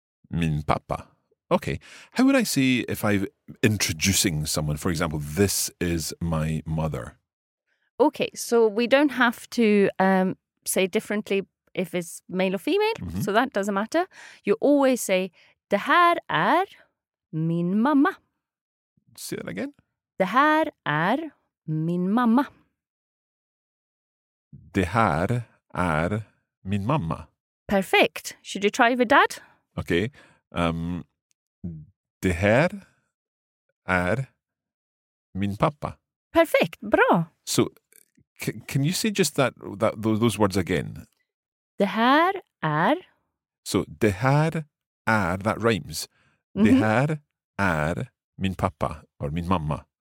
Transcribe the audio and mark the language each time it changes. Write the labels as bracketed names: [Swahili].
[Swedish] Min pappa. Okay. [English] How would I say if I'm introducing someone? For example, this is my mother. Okay, so we don't have to say differently if it's male or female, mm-hmm. so that doesn't matter. You always say, [Swedish] det här är min mamma. [English] Say that again. [Swedish] Det här är min mamma. Det här är min mamma. [English] Perfect. Should you try with dad? Okay. [Swedish] Det här är min pappa. [English] Perfect. Bra. So, can you say just that those words again? [Swedish] Det här är. [English] So, [Swedish] det här är, [English] that rhymes. Mm-hmm. [Swedish] Det här är min pappa or min mamma.